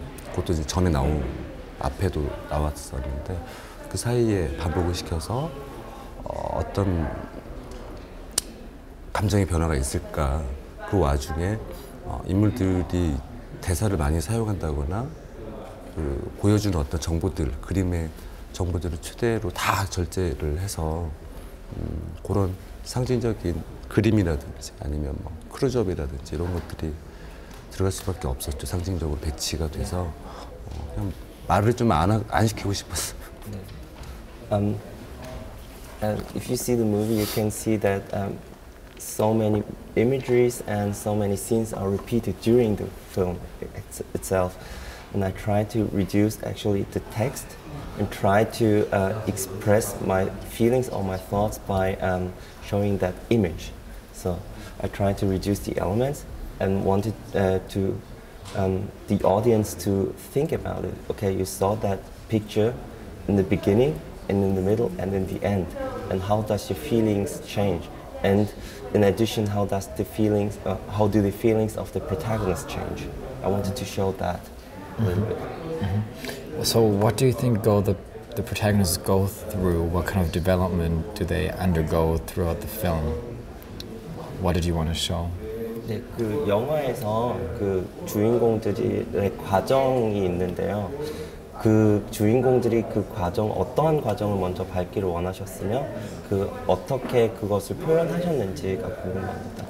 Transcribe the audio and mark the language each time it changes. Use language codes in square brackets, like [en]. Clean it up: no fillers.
[ko] 그것도 이제 전에 나온 앞에도 나왔었는데, 그 사이에 반복을 시켜서 어떤 감정의 변화가 있을까, 그 와중에 인물들이 대사를 많이 사용한다거나 그 보여준 어떤 정보들, 그림의 정보들을 최대로 다 절제를 해서 그런 상징적인 그림이라든지 아니면 뭐 크루즈업이라든지 이런 것들이 들어갈 수밖에 없었죠. 상징적으로 배치가 돼서 그냥 말을 좀 안 시키고 싶었어요. [en] If you see the movie, you can see that so many imageries and so many scenes are repeated during the film itself. And I try to reduce actually the text and try to express my feelings or my thoughts by showing that image. So I try to reduce the elements and wanted the audience to think about it. Okay, you saw that picture in the beginning and in the middle and in the end. And how does your feelings change? And in addition, how does the feelings, how do the feelings of the protagonist change? I wanted to show that a little bit. Mm-hmm. So what do you think go the the protagonists go through, what kind of development do they undergo throughout the film? What did you want to show? [ko] 네, 그 영화에서 그 주인공들의 과정이 있는데요. 그 주인공들이 그 과정, 어떠한 과정을 먼저 밟기를 원하셨으며 그 어떻게 그것을 표현하셨는지가 궁금합니다.